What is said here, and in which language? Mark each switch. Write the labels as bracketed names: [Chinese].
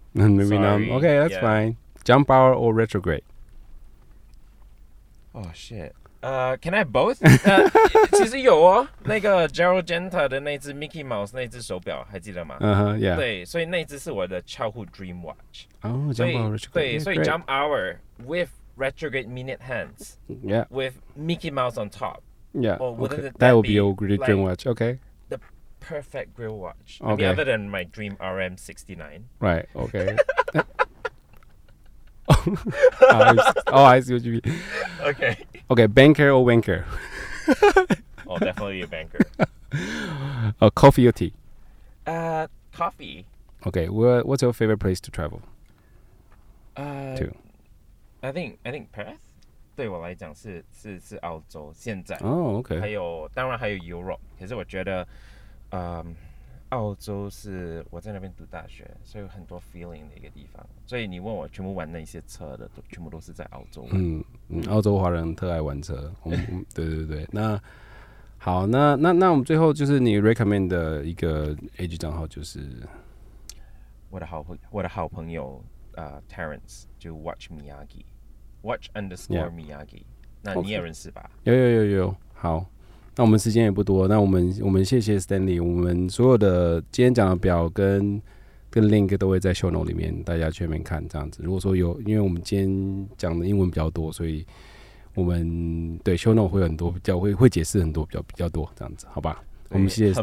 [English] Okay, that's、 fine. jump power or retrograde? Oh shit. Can I have both? [Chinese] 其实有哦，那个 Gerald Genta 的那只 Mickey Mouse 那只手表还记得吗？ [English] Uh-huh, yeah. [Chinese] 对，所以那只是我的 childhood dream watch。 [English] 哦、oh, ，jump hour retrograde. [Chinese] 对， [English] yeah, 所以 jump hour with retrograde minute hands. Yeah. With Mickey Mouse on top. Yeah. Or wouldn't、 okay. that, that would be your great dream watch? Okay. The perfect grill watch. Okay. I mean, other than my dream RM69. Right. Okay. oh, I see what you mean. Okay. Okay, banker or wanker? oh, definitely a banker. Coffee or tea? Coffee. Okay, what's your favorite place to travel? [Chinese] To? I think Perth? 对我来讲是澳洲现在。 [English] 哦、oh, okay. [Chinese] 还有当然还有 Europe, 可是我觉得澳洲是我在那边读大学，所以有很多 feeling 的一个地方。所以你问我全部玩那些车的，都全部都是在澳洲玩。嗯，澳洲华人特爱玩车。对对对。那好，那我们最后就是你 recommend 的一个 AG 账号就是我的好朋友Terence 就 Watch Miyagi，Watch underscore Miyagi、yeah.。那你也认识吧？ Okay. 有。好。那我们时间也不多，那我们谢谢 Stanley， 我们所有的今天讲的表跟 link 都会在 show note 里面，大家去那边看这样子。如果说有，因为我们今天讲的英文比较多，所以我们对 show note 会很多，会解释很多比较多这样子，好吧？我们谢谢 Stanley，